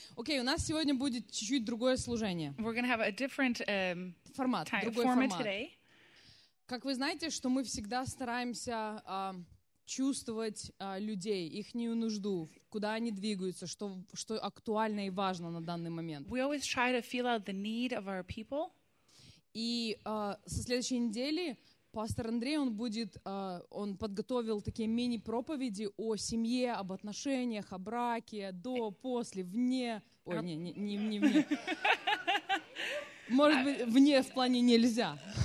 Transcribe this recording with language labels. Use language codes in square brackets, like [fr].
[ru] Okay, у нас сегодня будет чуть-чуть другое служение. [en] We're going to have a different [ru] формат, другой формат today. Как вы знаете, что мы всегда стараемся чувствовать людей, их нужду, куда они двигаются, что актуально и важно на данный момент. [en] We always try to feel out the need of our people. [ru] И со следующей недели пастор Андрей, он будет, он подготовил такие мини-проповеди о семье, об отношениях, о браке, до, после, вне. Ой, не вне. Может быть, вне в плане нельзя.